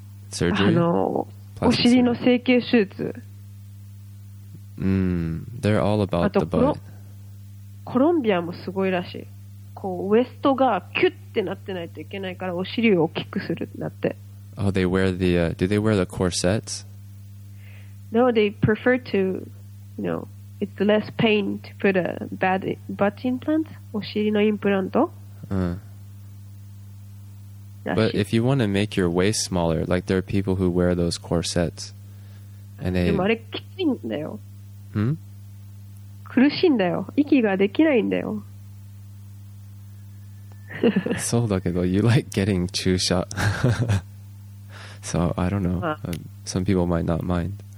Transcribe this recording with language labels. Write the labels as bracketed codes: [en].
[en] Surgery? [ja] お尻の整形手術。 [en] They're all about the butt. [ja] コロンビアもすごいらしい。こう、ウエストがキュッてなってないといけないから、お尻を大きくするってなって。 [en] Oh, they wear the, do they wear the corsets? No, they prefer to, you know, it's less pain to put a bad butt implant, [ja] お尻のインプラント。 [en] But if you want to make your waist smaller, like there are people who wear those corsets, and they... [ja] でもあれきついんだよ。 Hmm? 苦しいんだよ。息ができないんだよ。そうだけど、 [en] you like getting 注射。So, I don't know. Some people might not mind.